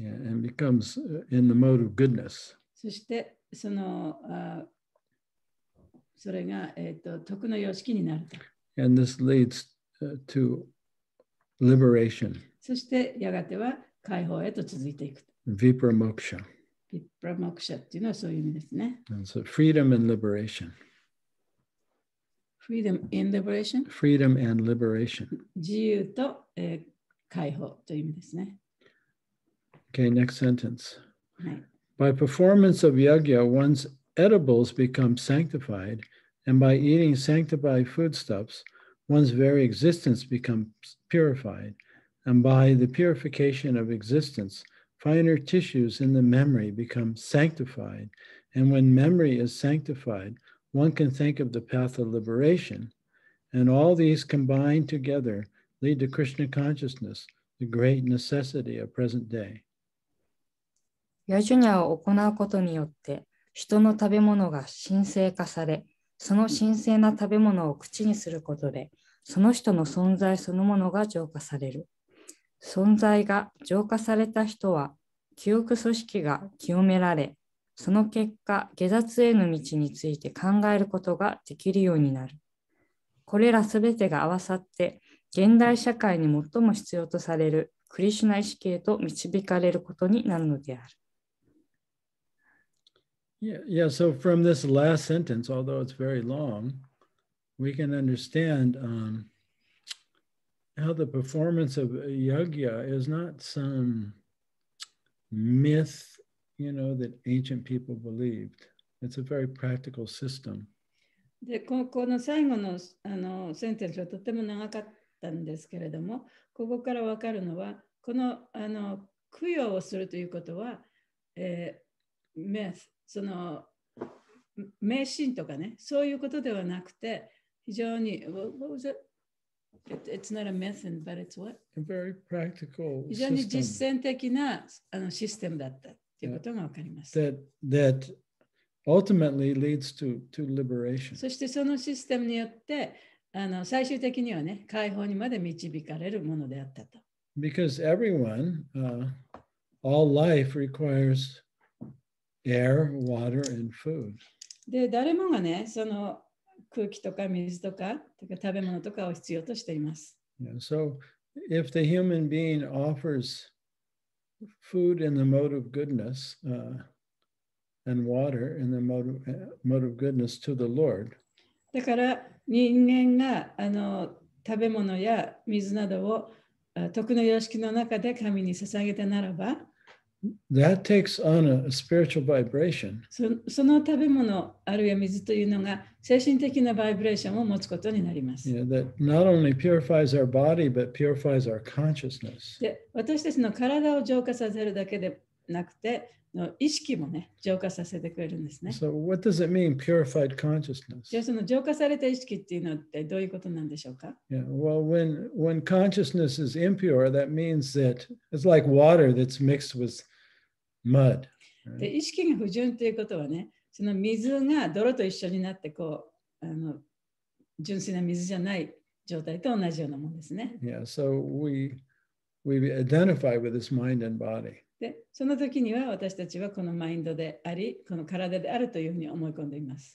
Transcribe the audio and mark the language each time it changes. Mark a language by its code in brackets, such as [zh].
[en] Yeah, and becomes in the mode of goodness. [ja] そして、それが、徳の様式になると。 [en] And this leads to liberation. [ja] そして、やがては解放へと続いていく。 [sa] Vipra Moksha. [ja] Vipramoksha っていうのはそういう意味ですね。 [en] So freedom and liberation. Freedom and liberation? Freedom and liberation. [ja] 自由と、解放という意味ですね。 [en] Okay, next sentence.、 [ja] はい、 [en] by performance of yajna, one's edibles become sanctified, and by eating sanctified foodstuffs, one's very existence becomes purified, and by the purification of existence, finer tissues in the memory become sanctified. And when memory is sanctified, one can think of the path of liberation. And all these combined together lead to Krishna consciousness, the great necessity of present day. [ja] ヤジュニャを行うことによって、人の食べ物が神聖化され、その神聖な食べ物を口にすることで、その人の存在そのものが浄化される。存在が浄化された人は、記憶組織が清められ、その結果、解脱への道について考えることができるようになる。これらすべてが合わさって、現代社会に最も必要とされるクリシュナ意識へと導かれることになるのである。 [en] Yeah, so from this last sentence, although it's very long, we can understand how the performance of yajna is not some myth, you know, that ancient people believed. It's a very practical system. [ja] で、この最後の、センテンスはとても長かったんですけれども、ここから分かるのは、この、供養をするということは、myth。その迷信とかね、そういうことではなくて、非常に、 [en] It's not a method, but it's what? A very practical [ja] system. 非常に実践的なシステムだったということがわかります。 [en] That ultimately leads to liberation. [ja] そしてそのシステムによって、最終的にはね、解放にまで導かれるものであったと。 [en] Because everyone, all life requires... Air, water, and food. [ja] で誰もがね、その空気とか水とか、とか食べ物とかを必要としています。 [en] Yeah, so if the human being offers food in the mode of goodness, and water in the mode of goodness to the Lord. [ja] だから人間が食べ物や水などを徳の様式の中で神に捧げたならば。 [en] That takes on a spiritual vibration. [ja] その食べ物あるいは水というのが精神的なバイブレーションを持つことになります。 [en] Yeah, that not only purifies our body, but purifies our consciousness. [ja] で、私たちの体を浄化させるだけでなくて、意識もね、浄化させてくれるんですね。 [en] So what does it mean, purified consciousness? [ja] じゃあその浄化された意識っていうのってどういうことなんでしょうか? [en] Yeah, well, when consciousness is impure, that means that it's like water that's mixed with mud. [ja] で、意識が不純ということはね、その水が泥と一緒になってこう、純粋な水じゃない状態と同じようなものですね。 [en] Yeah, so we identify with this mind and body. [ja] でその時には私たちはこのマインドであり、この体であるというふうに思い込んでいます。